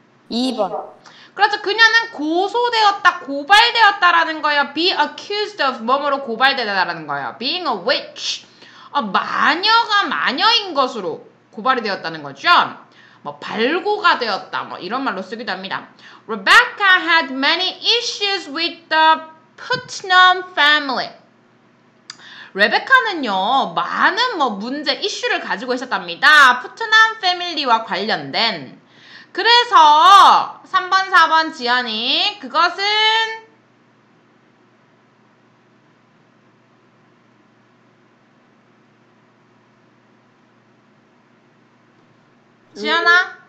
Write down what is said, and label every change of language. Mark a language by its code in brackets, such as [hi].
[ko] 2번. 그렇죠. 그녀는 고소되었다, 고발되었다라는 거예요. [en] Be accused of [ko] 뭐뭐로 고발되다라는 거예요. [en] Being a witch. [ko] 마녀가 마녀인 것으로 고발이 되었다는 거죠. 뭐 발고가 되었다 뭐 이런 말로 쓰기도 합니다. [en] Rebecca had many issues with the Putnam family. [ko] 레베카는요 많은 뭐 문제 이슈를 가지고 있었답니다. Putnam family와 관련된. 그래서 3번 4번 지연이 그것은 지연아?